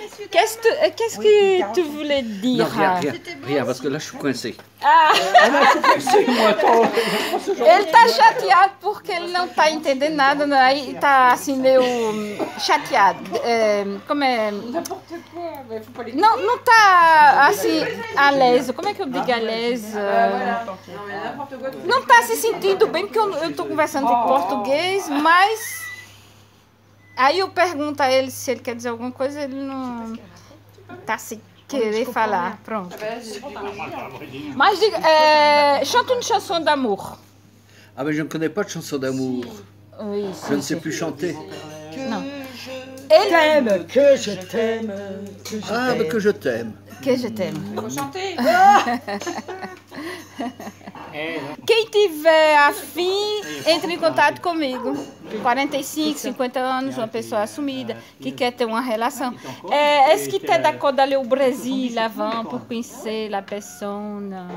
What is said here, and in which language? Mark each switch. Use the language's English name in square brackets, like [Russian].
[French] Qu'est-ce que tu voulais dire? Non, rien, rien, rien, parce que là je suis coincé. Ah! [Portuguese] Ele tá chateado porque ele não tá entendendo nada, aí tá assim meio chateado. Como é? Não, não tá assim, aleso. Como é que eu digo aleso? Não tá se sentindo bem porque eu tô conversando em português, mas. Aí eu pergunto a ele se ele quer dizer alguma coisa, ele não tá sem querer falar. Pronto. Mas diga, [French] chante une chanson d'amour. Ah, mas je ne connais pas de chanson d'amour. Oui, je ne sais plus chanter. Non. Elle t'aime, que je t'aime. Ah, mais que je t'aime. Que je t'aime. Il faut chanter. [Portuguese] Quem tiver a fim, entre em contato comigo. 45, 50 anos, uma pessoa assumida que quer ter uma relação. [French] Est-ce que t'es d'accord d'aller au Brésil avant pour [Portuguese] conhecer [French] la personne?